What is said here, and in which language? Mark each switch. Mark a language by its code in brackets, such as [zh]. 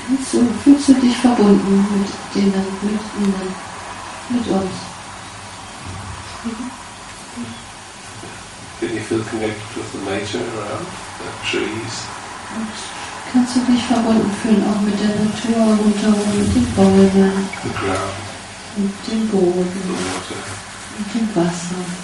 [de] So fühlst du dich verbunden mit denen, mit ihnen, mit uns? [en] Can you feel connected with the nature around, the trees? [de] Kannst du dich verbunden fühlen, auch mit der Natur rundherum, mit den Bäumen, mit dem Boden, mit dem Wasser?